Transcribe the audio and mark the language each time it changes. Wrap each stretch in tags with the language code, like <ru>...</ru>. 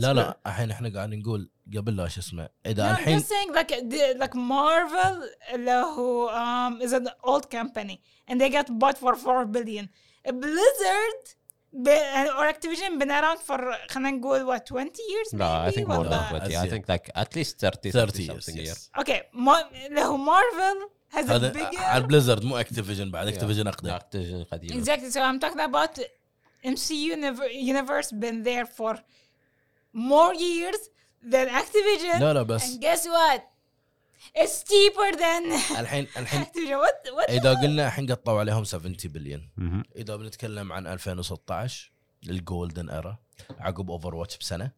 <ar>No, الحين احنا قاعدين نقول قبل لا شو اسمه اذا</ar> <en>no,</en> <ar>الحين</ar> <en>I'm just saying like Marvel who is an old company and they got bought for $4 billion. Blizzard or Activision been around for</en> <ar>خلينا نقول</ar> <en>what 20 years no, maybe I think more than 20. I think like at least 30 something years. Okay, Marvel has a bigger</en> <ar>Blizzard مو Activision بعد Activision اقدم Activision قديم.</ar> <en>Exactly, so I'm talking about MCU universe been there for more years than Activision.</en> <ar>No, بس.</ar> <en>And guess what? It's cheaper than.</en> <ar>الحين.</ar> <en>Activision. What?</en> <ar>إذا قلنا الحين قطعوا عليهم 70 billion. إذا بنتكلم عن 2016 للGolden Era عقب Overwatch بسنة.</ar>